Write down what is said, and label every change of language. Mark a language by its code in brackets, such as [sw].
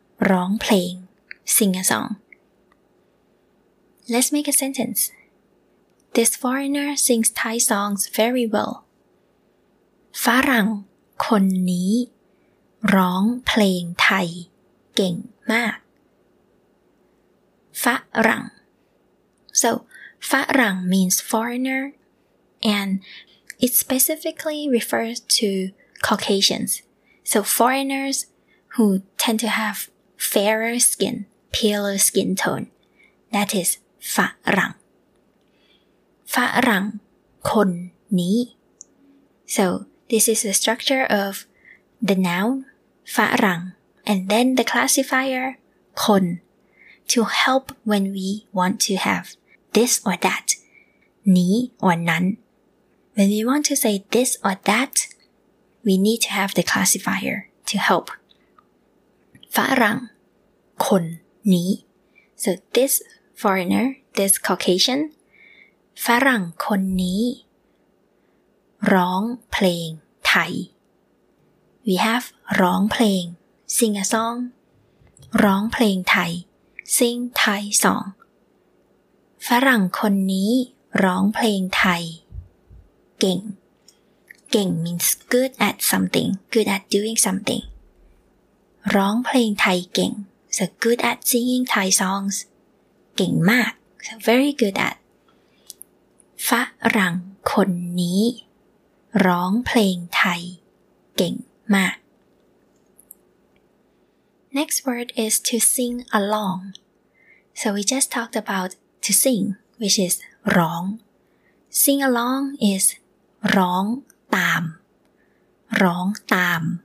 [en] ร้องเพลง sing a song. Let's make a sentence. This foreigner sings Thai songs very well. [th] ฝรั่งคนนี้ร้องเพลงไทยเก่งมาก [en] ฝรั่ง So,ฝรั่ง means foreigner, and it specifically refers to Caucasians. So foreigners who tend to have fairer skin, paler skin tone, that is ฝรั่ง. [th] ฝรั่งคนนี้. [en] So this is the structure of the noun ฝรั่ง, and then the classifier คน, to help when we want to haveThis or that, ni or nan. When we want to say this or that, we need to have the classifier to help. [th] ฝรั่งคนนี้. [en] So this foreigner, this Caucasian, [th] ฝรั่งคนนี้ร้องเพลงไทย. [en] We have ร้องเพลง, sing a song. ร้องเพลงไทย, sing Thai song. [th] ฝรั่งคนนี้ร้องเพลงไทยเก่ง [en] เก่ง means good at something good at doing something [th] ร้องเพลงไทยเก่ง [en] so good at singing Thai songs [th] เก่งมาก [en] so very good at [th] ฝรั่งคนนี้ร้องเพลงไทยเก่งมาก [en] next word is to sing along so we just talked aboutto sing, which is ร้อง. Sing along is [th] ร้องตามร้องตาม